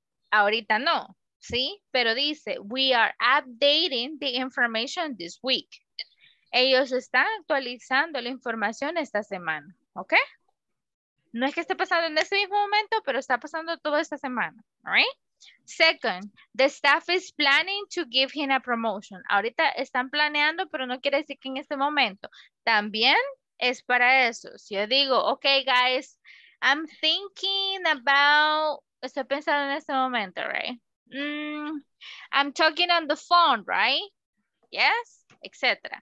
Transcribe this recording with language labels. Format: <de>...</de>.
<es>Ahorita no, ¿sí? Pero dice,</es> <en>we are updating the information this week.</en> <es>Ellos están actualizando la información esta semana, ¿ok? No es que esté pasando en ese mismo momento, pero está pasando toda esta semana, ¿right?</es> <en>Second, the staff is planning to give him a promotion.</en> <es>Ahorita están planeando, pero no quiere decir que en este momento. También es para eso. Si yo digo, okay, guys,</es> <en>I'm thinking about,</en> <es>estoy pensando en este momento, right?</es> <en>I'm talking on the phone, right? Yes, etc.</en>